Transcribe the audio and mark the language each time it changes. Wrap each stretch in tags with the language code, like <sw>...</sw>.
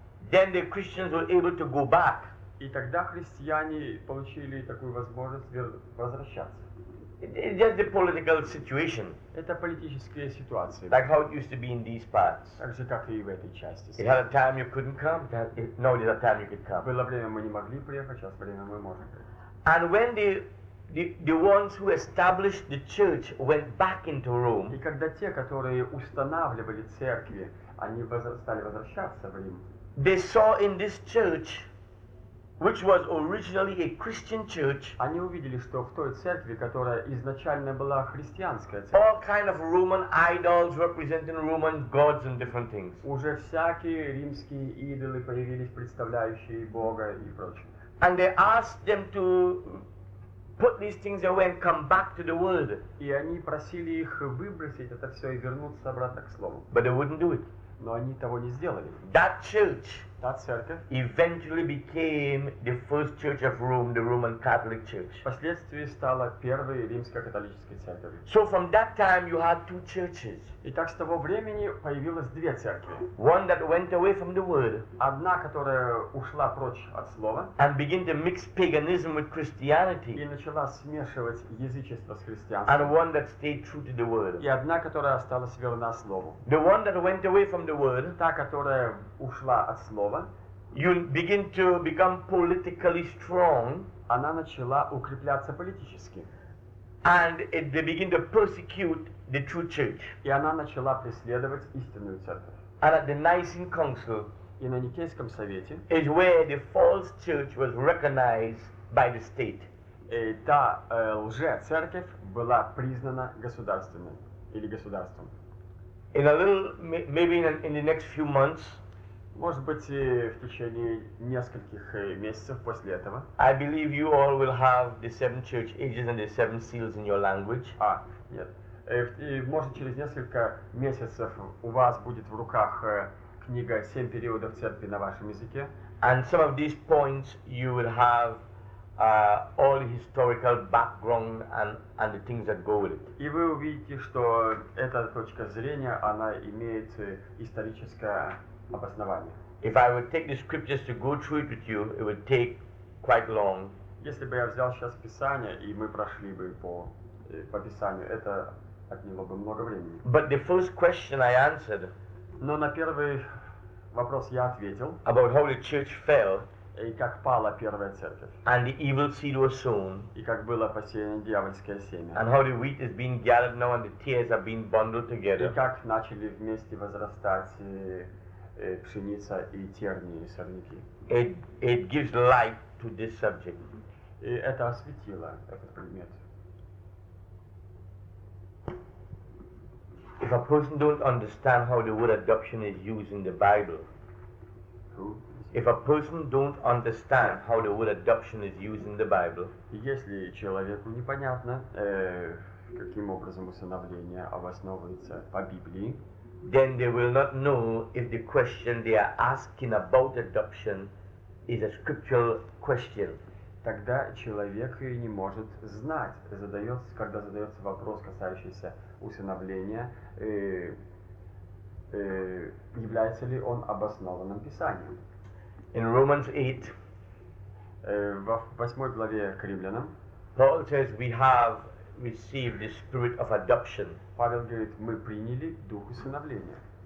<en>Then the Christians were able to go back.</en> <ru>И тогда христиане получили такую возможность возвращаться.</ru> <en>Just the political situation.</en> <ru>Это политическая ситуация.</ru> <en>Like how it used to be in these parts.</en> <ru>Так же, как и в этой части.</ru> <en>It had a time you couldn't come. No, there's a time you could come.</en> <ru>Было время, мы не могли приехать, сейчас время мы можем.</ru> <en>And when the ones who established the church went back into Rome.</en> <ru>И когда те, которые устанавливали церкви, они стали возвращаться в Рим.</ru> <en>They saw in this church, which was originally a Christian church,</en> <ru>они увидели, что в той церкви, которая изначально была христианская церковь,</ru> <en>all kind of Roman idols representing Roman gods and different things.</en> <ru>Уже всякие римские идолы появились, представляющие Бога и прочее.</ru> <en>And they asked them to put these things away and come back to the word.</en> <ru>И они просили их выбросить это все и вернуться обратно к слову.</ru> <en>But they wouldn't do it.</en> <ru>Но они того не сделали.</ru> <en>That church,</en> <ru>та церковь,</ru> <en>eventually became the first church of Rome, the Roman Catholic Church.</en> <ru>Впоследствии стала первой римско-католической церковью.</ru> <en>So from that time you had two churches.</en> <ru>Итак, с того времени появилось две церкви.</ru> <en>One that went away from the word,</en> <ru>одна, которая ушла прочь от слова,</ru> <en>and began to mix paganism with Christianity,</en> <ru>и начала смешивать язычество с христианством,</ru> <en>and one that stayed true to the word,</en> <ru>и одна, которая осталась верна слову.</ru> <en>The one that went away from the word,</en> <ru>та, которая ушла от слова,</ru> <en>you begin to become politically strong,</en> <ru>она начала укрепляться политически,</ru> <en>and they begin to persecute the true church.</en> <ru>И она начала преследовать истинную церковь.</ru> <en>And at the Nicene Council,</en> <ru>и на Никейском совете,</ru> <en>is where the false church was recognized by the state.</en> <ru>Та лжецерковь была признана государственной или государством.</ru> <en>In a little, maybe in the next few months,</en> <ru>может быть, в течение нескольких месяцев после этого,</ru> <en>I believe you all will have the seven church ages and the seven seals in your language.</en> <ru>А, нет. И, может, через несколько месяцев у вас будет в руках книга «Семь периодов церкви» на вашем языке.</ru> <en>And some of these points you will have all the historical background and the things that go with it.</en> <ru>И вы увидите, что эта точка зрения, она имеет историческое обоснование.</ru> <en>If I would take the scriptures to go through it with you, it would take quite long.</en> <ru>Если бы я взял сейчас Писание, и мы прошли бы по Писанию, это отняло бы много времени.</ru> <en>But the first question I answered,</en> <ru>но на первый вопрос я ответил,</ru> <en>about how the church fell,</en> <ru>и как пала первая церковь,</ru> <en>and the evil seed was sown,</en> <ru>и как было посеяно дьявольское семя,</ru> <en>and how the wheat is being gathered now and the tares are being bundled together,</en> <ru>и как начали вместе возрастать пшеница и терни и сорняки.</ru> <en>It gives light to this subject.</en> <ru>И это осветило этот предмет.</ru> <en>If a person don't understand how the word adoption is used in the Bible, if a person don't understand how the word adoption is used in the Bible,</en> <ru>если человеку непонятно, каким образом усыновление обосновывается по Библии,</ru> <en>then they will not know if the question they are asking about adoption is a scriptural question.</en> <ru>Тогда человек и не может знать, задается, когда задается вопрос, касающийся усыновления, является ли он обоснованным писанием.</ru> <en>In Romans 8,</en> <ru>во 8 главе к Римлянам,</ru> <en>Paul says, we have received the spirit of adoption.</en> <ru>Павел говорит, мы приняли дух усыновления.</ru>